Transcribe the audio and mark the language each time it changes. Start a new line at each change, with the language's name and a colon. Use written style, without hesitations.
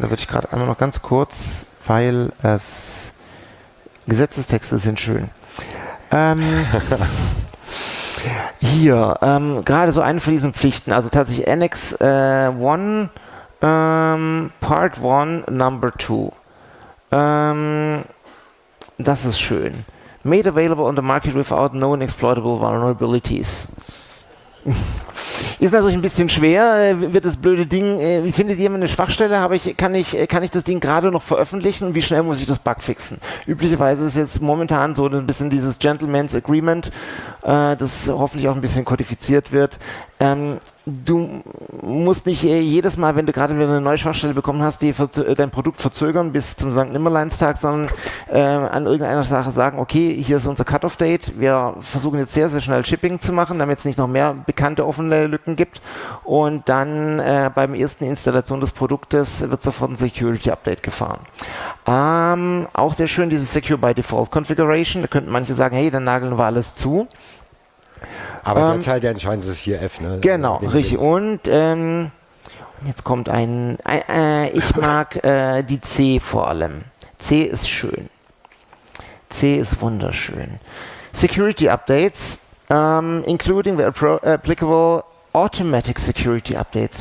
German: Da würde ich gerade einmal noch ganz kurz, weil es Gesetzestexte sind schön. hier, gerade so eine von diesen Pflichten, also tatsächlich Annex One Part 1, Number 2. Das ist schön.
English: Made available on the market without known exploitable vulnerabilities.
German: Ist natürlich ein bisschen schwer, wird das blöde Ding, wie findet ihr eine Schwachstelle, kann ich das Ding gerade noch veröffentlichen und wie schnell muss ich das bugfixen? Üblicherweise ist jetzt momentan so ein bisschen dieses Gentleman's Agreement, das hoffentlich auch ein bisschen kodifiziert wird. Du musst nicht jedes Mal, wenn du gerade wieder eine neue Schwachstelle bekommen hast, dein Produkt verzögern bis zum Sankt-Nimmerleins-Tag, sondern an irgendeiner Sache sagen, okay, hier ist unser Cut-Off-Date, wir versuchen jetzt sehr, sehr schnell Shipping zu machen, damit es nicht noch mehr bekannte offene Lücken gibt und dann beim ersten Installation des Produktes wird sofort ein Security-Update gefahren. Auch sehr schön dieses Secure-by-Default-Configuration, da könnten manche sagen, hey, dann nageln wir alles zu. Aber der Teil, der entscheidend ist, ist hier F, ne? Genau, richtig. Und jetzt kommt ich mag die C vor allem. C ist schön. C ist wunderschön.
English: Security Updates, including the applicable automatic security updates.